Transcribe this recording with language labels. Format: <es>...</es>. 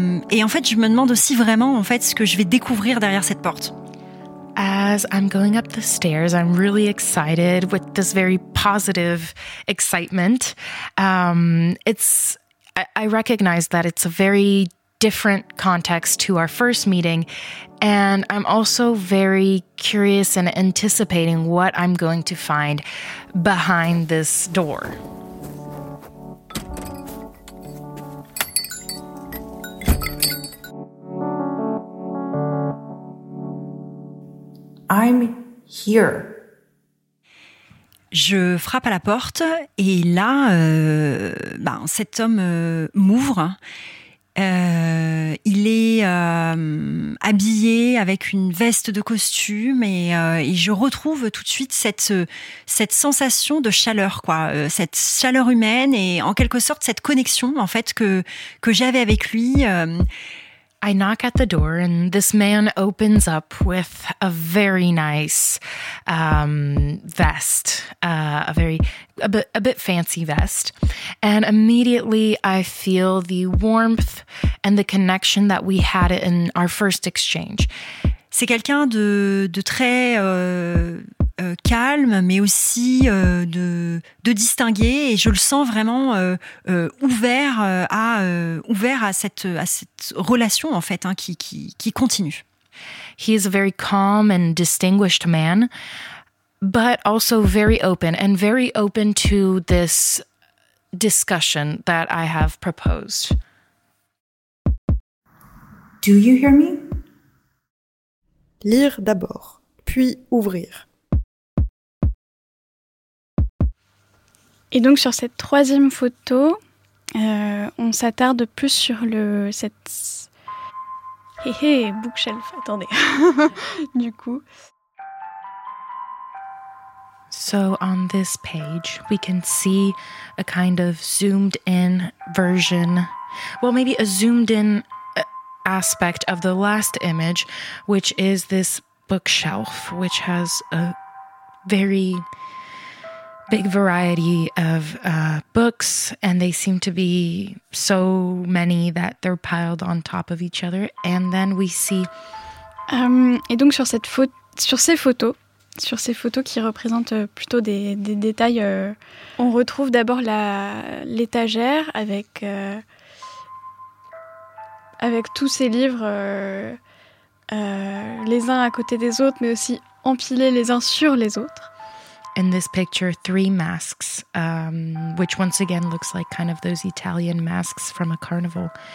<fr>Et en fait, je me demande aussi vraiment, en fait, ce que je vais découvrir derrière cette porte.</fr> <en>As I'm going up the stairs, I'm really excited with this very positive excitement. I recognize that it's a very different context to our first meeting. And I'm also very curious and anticipating what I'm going to find behind this door. I'm here.</en> <fr>Je frappe à la porte et là, cet homme m'ouvre. Il est habillé avec une veste de costume et je retrouve tout de suite cette sensation de chaleur, quoi, cette chaleur humaine et en quelque sorte cette connexion en fait que j'avais avec lui.</fr> <en>I knock at the door and this man opens up with a very nice vest, a bit fancy vest. And immediately I feel the warmth and the connection that we had in our first exchange.</en> <fr>C'est quelqu'un de très calme, mais aussi de distingué. Et je le sens vraiment ouvert à cette relation en fait, hein, qui continue.</fr> <en>He is a very calm and distinguished man. but also very open and very open to this discussion that I have proposed. Do you hear me?</en> <fr>Lire d'abord, puis ouvrir. Et donc sur cette troisième photo, on s'attarde plus sur cette... Hé, bookshelf, attendez. Du coup.</fr> <en>So on this page, we can see a kind of zoomed in version. Well, maybe a zoomed in aspect of the last image, which is this bookshelf, which has a very big variety of books, and they seem to be so many that they're piled on top of each other. And then we see...</en> <fr>Et donc sur ces photos qui représentent plutôt des détails, on retrouve d'abord l'étagère avec tous ces livres les uns à côté des autres, mais aussi empilés les uns sur les autres.</fr> <en>In this picture, three masks, which once again looks like kind of those Italian masks from a carnival.</en>